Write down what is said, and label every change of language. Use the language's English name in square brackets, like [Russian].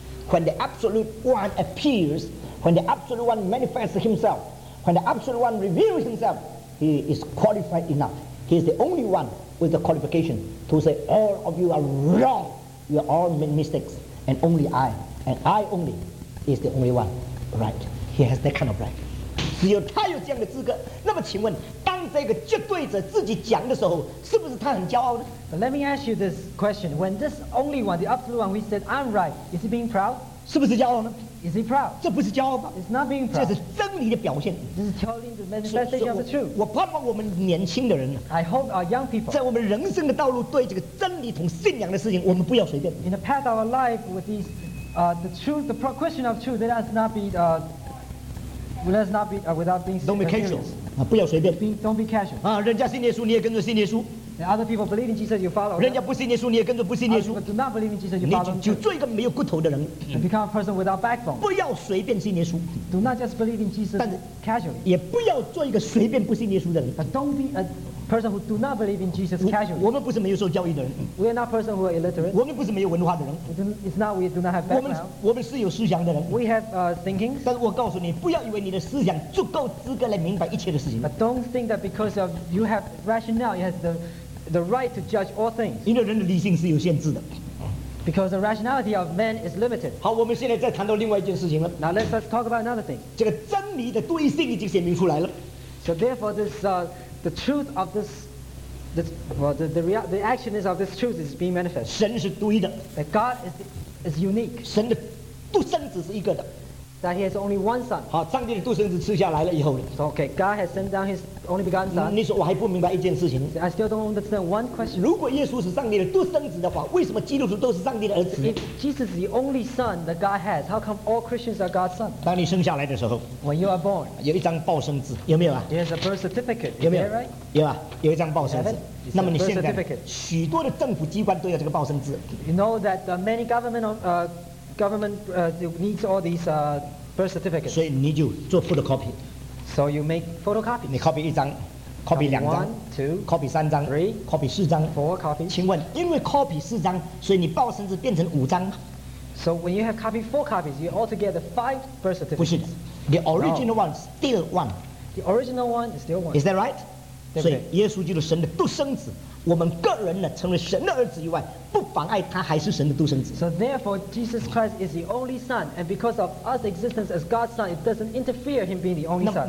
[English] When the absolute one appears, when the absolute one manifests himself, when the absolute one reveals himself, he is qualified enough. He is the only one with the qualification to say, all of you are wrong. You are all made mistakes. And I only is the only one right. He has that kind of right. [Chinese] 只有他有这样的资格。那么请问这个绝对者自己讲的时候，是不是他很骄傲呢？ [English] But let me ask you this question: when this only one, the absolute one, we said I'm right, is he being proud? [Chinese] 是不是骄傲呢？ [English] Is he proud? [Chinese] 这不是骄傲吧？ [English] It's not being proud. [Chinese] 这是真理的表现。 [English] This is telling the manifestation of the truth. [Chinese] 我盼望我们年轻的人。 [English] I hope our young people. [Chinese] 在我们人生的道路对这个真理同信仰的事情，我们不要随便。 [English] In the path of our life with these, the truth, the question of truth, let us not be, without being serious. Don't be casual. [Chinese] 不要随便。 [English] Don't be casual. [Chinese] 人家信耶稣，你也跟着信耶稣。 [English] The other people believe in Jesus, you follow. [Chinese] 人家不信耶稣，你也跟着不信耶稣。 [English] But do not believe in Jesus, you follow. [Chinese] 你就做一个没有骨头的人。 [English] And become a person without backbone. [Chinese] 不要随便信耶稣。 [English] Do not just believe in Jesus. [Chinese] 但是 [English] casually. [Chinese] 也不要做一个随便不信耶稣的人。 [English] But don't be a person who do not believe in Jesus casually. [Chinese] 我们不是没有受教育的人。 [English] We are not person who are illiterate. [Chinese] 我们不是没有文化的人。 [English] It's not we do not have background. [Chinese] 我们是有思想的人。 [English] We have thinking. [Chinese] 但是我告诉你，不要以为你的思想足够资格来明白一切的事情。 [English] But don't think that because of you have rationale, you have the right to judge all things. [Chinese] 因为人的理性是有限制的。 [English] Because the rationality of man is limited. [Chinese] 好，我们现在再谈到另外一件事情了。 [English] Now let's talk about another thing. [Chinese] 这个真理的对性已经显明出来了。 [English] So therefore the truth of the action is of this truth is being manifest. [Chinese] 神是独一的。 [English] That God is unique. [Chinese] 神的独生子是一个的。 [English] That he has only one son. [Chinese] 好，上帝的独生子吃下来了以后呢。 [English] So, okay, God has sent down his only begotten son. [Chinese] 你说我还不明白一件事情。 [English] So, I still don't understand one question. [Chinese] 如果耶稣是上帝的独生子的话，为什么基督徒都是上帝的儿子？ [English] If Jesus is the only son that God has, how come all Christians are God's son? [Chinese] 当你生下来的时候。 [English] When you are born. [Chinese] 有一张报生纸，有没有啊？ [English] There's a birth certificate. [Chinese] 有没有？ [English] Right? [Chinese] 有啊，有一张报生纸。那么你现在许多的政府机关都有这个报生纸。 [English] You know that many government needs all these birth certificates. [Chinese] 所以你就做 photocopy. [English] So you make photocopy. [Chinese] 你 copy 一张， copy 两张， [English] one, two, [Chinese] copy 三张， [English] three, [Chinese] copy 四张， [English] four copies. [Chinese] 请问，因为 copy 四张，所以你报生纸变成五张？ [English] So when you have copied four copies, you altogether five birth certificates. [Chinese] 不是， [English] the original one still one. The original one is still one. Is that right? [Chinese] 所以耶稣基督神的独生子。我们个人呢，成为神的儿子以外，不妨碍他还是神的独生子。 [English] So therefore, Jesus Christ is the only Son, and because of us existence as God's Son, it doesn't interfere him being the only Son.